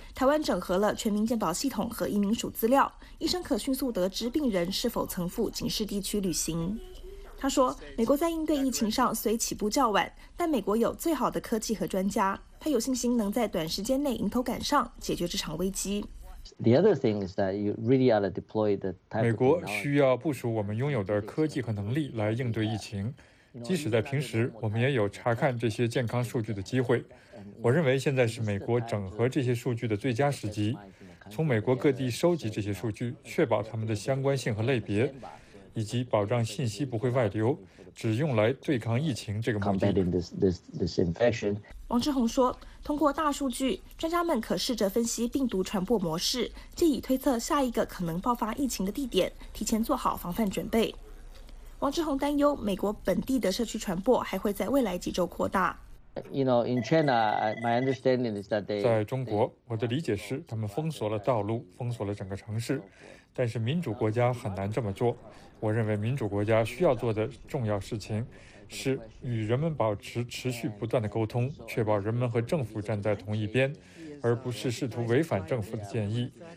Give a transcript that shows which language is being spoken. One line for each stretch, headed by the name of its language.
Chinese: 台湾整合了全民健保系统和移民署资料，医生可迅速得知病人是否曾赴警示地区旅行。他说，美国在应对疫情上虽起步较晚，但美国有最好的科技和专家，他有信心能在短时间内迎头赶上，解决这场危机。
English: The other thing is that you really ought to deploy the type of technology.
Chinese: 美国需要部署我们拥有的科技和能力来应对疫情。即使在平时，我们也有查看这些健康数据的机会。我认为现在是美国整合这些数据的最佳时机，从美国各地收集这些数据，确保它们的相关性和类别。以及保障信息不会外流，只用来对抗疫情这个目的。王志宏说，通过大数据，专家们可试着分析病毒传播模式，借以推测下一个可能爆发疫情的地点，提前做好防范准备。王志宏担忧，美国本地的社区传播还会在未来几周扩大。
English: You know, in China, my understanding is that they
Chinese: 在中国，我的理解是，他们封锁了道路，封锁了整个城市。但是民主国家很难这么做。我认为民主国家需要做的重要事情，是与人们保持持续不断的沟通，确保人们和政府站在同一边，而不是试图违反政府的建议。